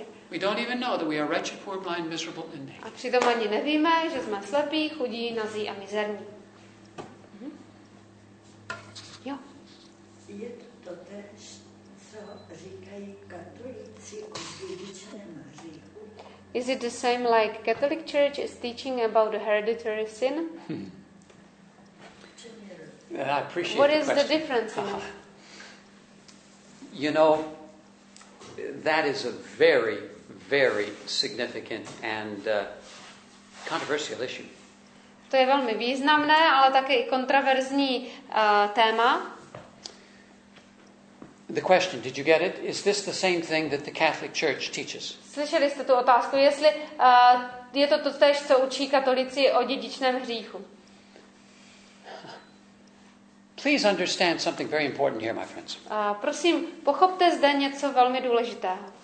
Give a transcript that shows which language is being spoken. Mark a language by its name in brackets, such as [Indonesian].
[English] We don't even know that we are wretched, poor, blind, miserable and naked. [Czech] A přitom ani nevíme, že jsme slepí, chudí, nazí a mizerní. Jo. Je to totéž, co říkají katolíci o dědičném hříchu? [English] Is it the same like Catholic Church is teaching about hereditary sin? I appreciate what the is question. The difference in You know, that is a very, very significant and controversial issue. [Czech] To je velmi významné, ale také i kontroverzní téma. [English] The question, did you get it? Is this the same thing that the Catholic Church teaches? [Czech] Slyšeli jste tu otázku, jestli je to totéž, co učí katolici o dědičném hříchu? [English] Please understand something very important here, my friends. [Czech] Prosím, pochopte zde něco velmi důležitého.